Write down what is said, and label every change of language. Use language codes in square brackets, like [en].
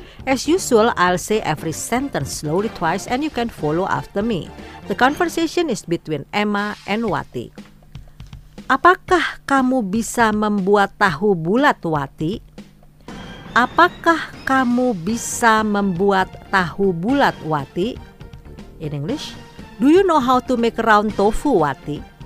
[en] As usual, I'll say every sentence slowly twice and you can follow after me. The conversation is between Emma and Wati. [id] Apakah kamu bisa membuat tahu bulat, Wati? Apakah kamu bisa membuat tahu bulat, Wati? [en] In English, do you know how to make round tofu, Wati?